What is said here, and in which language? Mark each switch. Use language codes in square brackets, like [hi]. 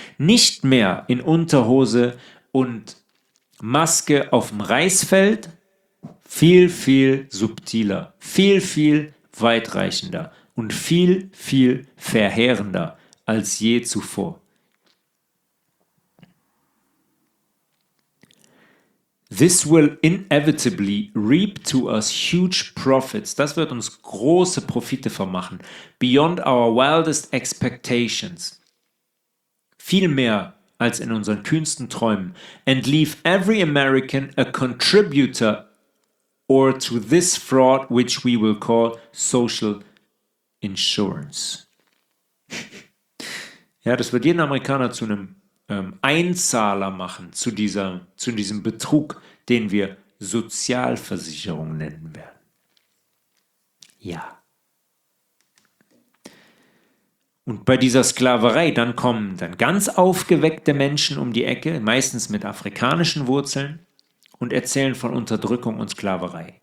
[de] Nicht mehr in Unterhose und Maske auf dem Reisfeld, viel, viel subtiler, viel, viel weitreichender und viel, viel verheerender als je zuvor. [en] This will inevitably reap to us huge profits. [de] Das wird uns große Profite vermachen. [en] Beyond our wildest expectations. [de] Viel mehr als in unseren kühnsten Träumen. [en] And leave every American a contributor or to this fraud, which we will call social insurance. [de] Ja, das wird jeden Amerikaner zu einem Einzahler machen, zu diesem Betrug, den wir Sozialversicherung nennen werden. Ja. Und bei dieser Sklaverei, dann kommen dann ganz aufgeweckte Menschen um die Ecke, meistens mit afrikanischen Wurzeln, und erzählen von Unterdrückung und Sklaverei.